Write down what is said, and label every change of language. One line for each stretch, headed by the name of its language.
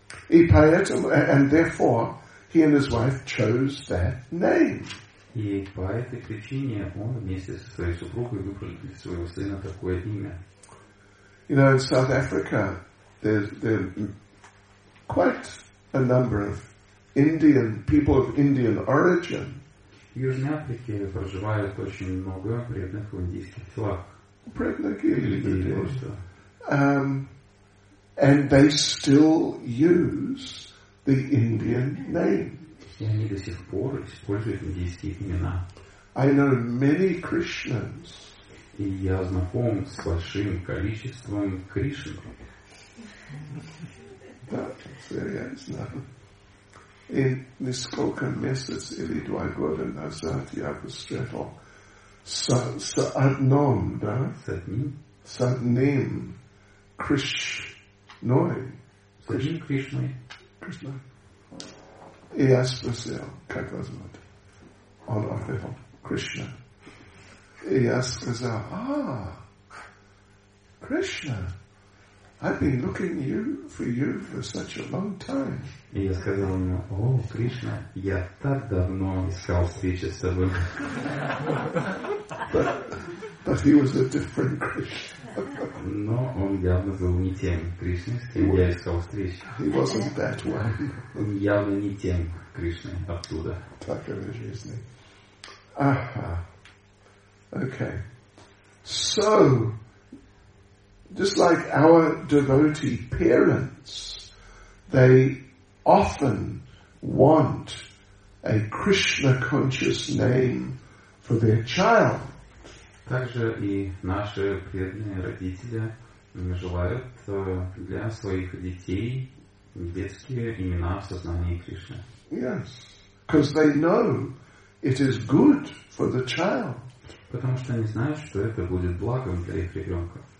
Russian: И поэтому,
English: and therefore, he and his wife chose that name.
Russian: И по этой причине он вместе со своей супругой выбрал для своего сына такое имя.
English: You know, in South Africa, There are quite a number of Indian people of Indian origin.
Russian: В Южной Африке проживают очень много преданных в индийских телах. Преданных индийских телах.
English: And they still use the Indian name.
Russian: И они до сих пор используют индийские имена.
English: I know many Krishnas.
Russian: И я знаком с большим количеством Кришн. Да, серьезно. И несколько месяцев или два года назад я встретил с одним, да? С одним. С одним Кришной. С одним Кришной. Кришной. И я спросил, как вас зовут? Он ответил, Кришна. И я сказал, Кришна.
English: I've been looking for you for such a long time.
Russian: И я сказал ему, о, Кришна, я так давно искал встречи с тобой.
English: But he was a different Krishna.
Russian: Но он явно был не тем Кришной, с кем я искал встречи.
English: He wasn't that one.
Russian: Он явно не тем Кришной оттуда. Так и в жизни. Ага. Okay.
English: So, just like our devotee parents, they often want a Krishna conscious name for their child.
Russian: Также и наши преданные родители желают для своих детей детские имена в сознании Кришны.
English: Yes, because they know it is good for the child.
Russian: Потому что они знают, что это будет благом для их ребенка.